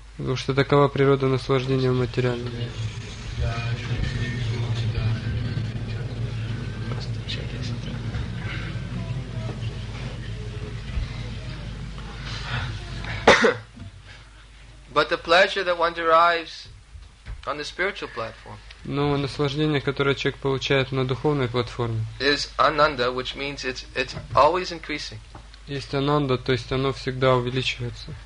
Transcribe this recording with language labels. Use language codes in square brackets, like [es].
[ru] Потому что такова природа наслаждения в материальном мире. [en] But the pleasure that one derives on the spiritual platform. [ru] Но наслаждение, которое человек получает на духовной платформе. [en] Is ananda, which means it's always increasing. [ru] Есть ананда, то есть оно всегда увеличивается.